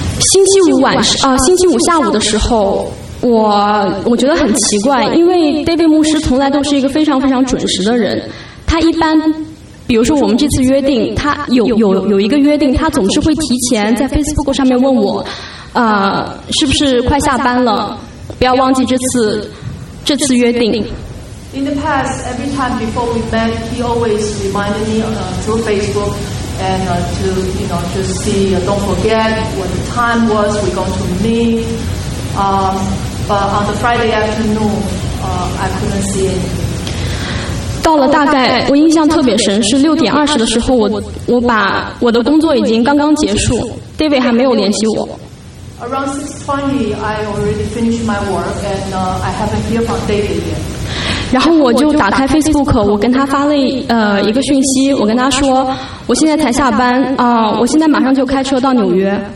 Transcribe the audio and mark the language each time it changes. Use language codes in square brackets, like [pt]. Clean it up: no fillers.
[zh] 星期五晚上，星期五下午的时候。我觉得很奇怪，因为 David 牧师从来都是一个非常非常准时的人。他一般，比如说我们这次约定，他有一个约定，他总是会提前在 Facebook 上面问我，是不是快下班了？不要忘记这次约定。 [en] In the past, every time before we met, he always reminded me through Facebook and to just see, don't forget what the time was. We're going to meet. But on the Friday afternoon, I couldn't see anything. [zh] 到了大概，我印象特别深，是6:20的时候，我把我的工作已经刚刚结束 ，David 还没有联系我。 [en] Around 6:20, I already finished my work, and I haven't heard from David yet. [zh] 然后我就打开 Facebook， 我跟他发了一个讯息，我跟他说，我现在才下班，我现在马上就开车到纽约。